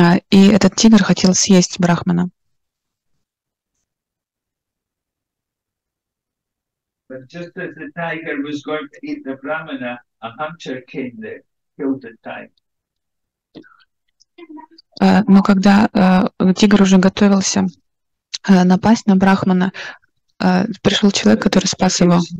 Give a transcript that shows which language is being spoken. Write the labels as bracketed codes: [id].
[ru] И этот тигр хотел съесть брахмана. [en] But just as the tiger was going to eat the brahmana, a hunter came there, killed the tiger. [ru] Но когда тигр уже готовился напасть на брахмана, пришел человек, который спас его.